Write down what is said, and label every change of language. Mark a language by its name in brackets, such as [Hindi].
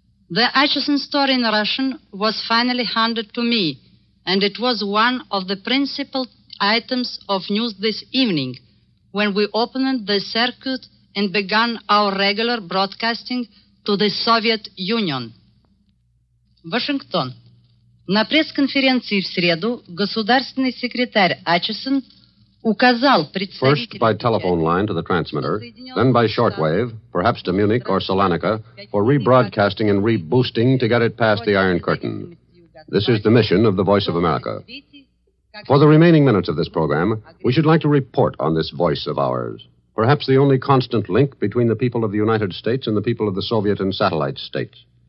[English] The Atchison story in Russian was finally handed to me, and it was one of the principal items of news this evening when we opened the circuit and began our regular broadcasting to the Soviet Union. Washington. [Russian] На пресс-конференции в среду государственный секретарь Atchison указал представителям... [English] First by telephone line to the transmitter, then by shortwave, perhaps to Munich or Salonika, for rebroadcasting and reboosting to get it past the Iron Curtain. This is the mission of the Voice of America. For the remaining minutes of this program, we should like to report on this voice of ours, perhaps the only constant link between the people of the United States and the people of the Soviet and satellite states.